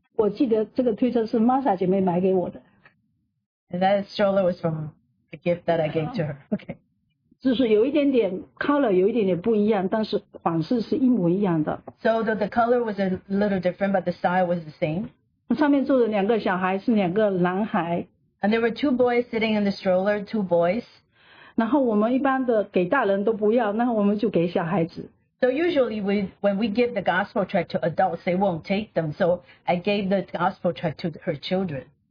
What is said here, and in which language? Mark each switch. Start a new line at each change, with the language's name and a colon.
Chinese: 我记得这个推车是Masa姐妹买给我的。
English: And that stroller was from the gift that I gave to her. Okay.
Chinese: 就是有一点点 color 有一点点不一样，但是款式是一模一样的。
English: So the color was a little different, but the style was the same.
Chinese: 上面坐着两个小孩，是两个男孩。
English: And there were two boys sitting in the stroller, two boys.
Chinese: 然后我们一般的给大人都不要，那我们就给小孩子。
English: So usually when we give the gospel tract to adults, they won't take them. So I gave the gospel tract to her children.